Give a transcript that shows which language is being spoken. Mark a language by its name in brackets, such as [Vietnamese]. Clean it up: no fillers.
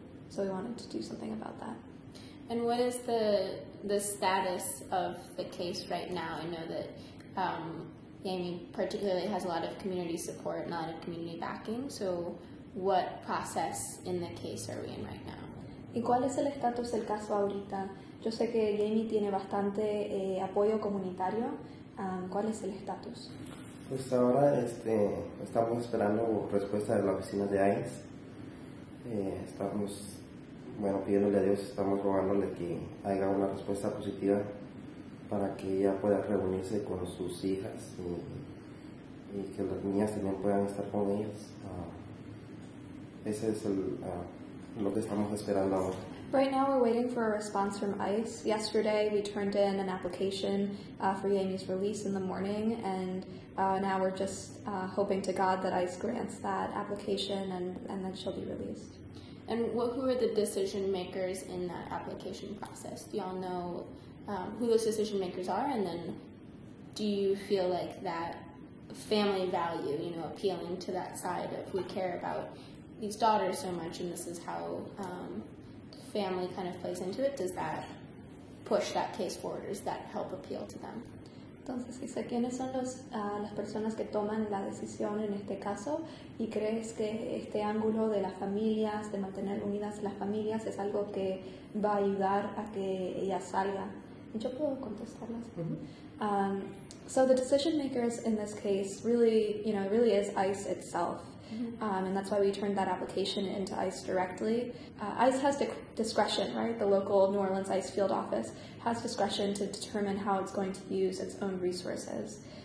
[English] So we wanted to do something about that. And what is the status of the case right now? I know that Yamie particularly has a lot of community support and a lot of community backing, so what process in the case are we in right now? [Spanish] ¿Y cuál es el estatus del caso ahorita? Yo sé que Yamie tiene bastante apoyo comunitario. ¿Cuál es el estatus? Pues ahora estamos esperando respuesta de la oficina de ICE. Estamos, bueno, pidiéndole a Dios, estamos rogándole que haya una respuesta positiva para que ella pueda reunirse con sus hijas y que las niñas también puedan estar con ellas. Ese es el, lo que estamos esperando ahora. [English] Right now we're waiting for a response from ICE. Yesterday we turned in an application for Yemi's release in the morning, and now we're just hoping to God that ICE grants that application and then she'll be released. And who are the decision makers in that application process? Do y'all know who those decision makers are? And then do you feel like that family value, you know, appealing to that side of we care about these daughters so much and this is how family kind of plays into it, does that push that case forward? Does that help appeal to them? [Spanish] Entonces, dice, ¿quiénes son los, las personas que toman la decisión en este caso? ¿Y crees que este ángulo de las familias, de mantener unidas las familias, es algo que va a ayudar a que ellas salgan? Yo puedo contestarlas. Mm-hmm. [English] So the decision makers in this case really, you know, really is ICE itself. Mm-hmm. And that's why we turned that application into ICE directly. ICE has discretion, right? The local New Orleans ICE field office has discretion to determine how it's going to use its own resources.